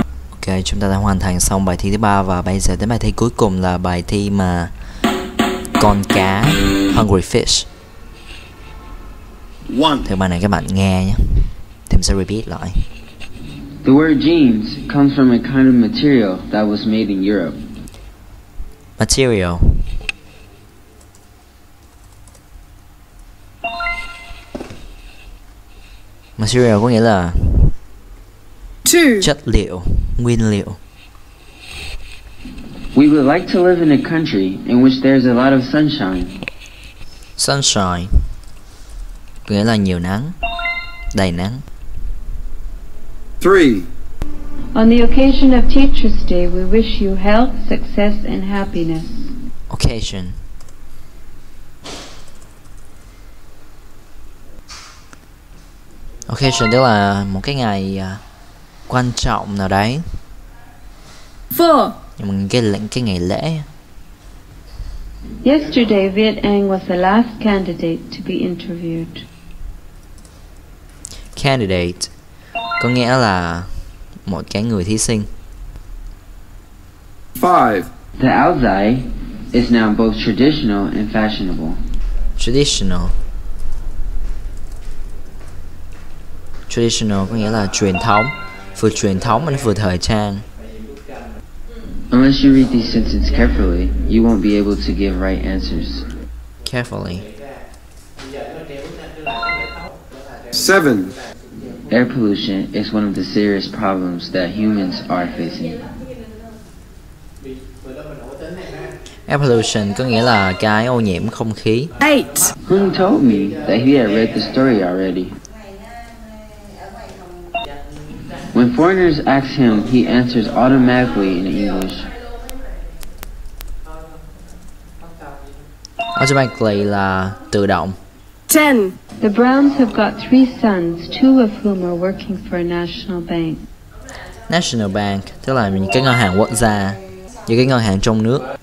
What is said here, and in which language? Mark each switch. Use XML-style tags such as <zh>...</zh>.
<vi>Ok, chúng ta đã hoàn thành xong bài thi thứ 3. Và bây giờ đến bài thi cuối cùng là bài thi mà con cá, hungry fish.</vi> <en>One.</en> <vi>Thử bài này các bạn nghe nhé. Thì mình sẽ repeat lại.</vi> <en>The word jeans comes from a kind of material that was made in Europe. Material.</en> <vi>Material có nghĩa là</vi> <en>Two.</en> <vi>Chất liệu, nguyên liệu.</vi> <en>We would like to live in a country in which there's a lot of sunshine.</en> <vi>Sunshine có nghĩa là nhiều nắng, đầy nắng.</vi> <en>Three. On the occasion of Teacher's Day, we wish you health, success, and happiness. Occasion.</en> <vi>Occasion đó là một cái ngày quan trọng nào đấy.</vi> <en>Four.</en> <vi>Nhưng mà cái ngày lễ.</vi> <en>Yesterday, Viet Anh was the last candidate to be interviewed.</en> <vi>Candidate có nghĩa là một cái người thí sinh.</vi> <en>Five. The áo dài is now both traditional and fashionable. Traditional.</en> <vi>Traditional có nghĩa là truyền thống, vừa truyền thống mình vừa thời trang.</vi> <en>Unless you read these sentences carefully, you won't be able to give right answers. Carefully. Seven. Air pollution is one of the serious problems that humans are facing.</en> <vi>Air pollution có nghĩa là cái ô nhiễm không khí.</vi> <en>Eight. Hung told me that he had read the story already. When foreigners ask him, he answers automatically in English.</en> <vi>Automatically là tự động.</vi> <en>Ten. The Browns have got three sons, two of whom are working for a national bank.</en> <vi>National bank, tức là những cái ngân hàng quốc gia, những cái ngân hàng trong nước.</vi>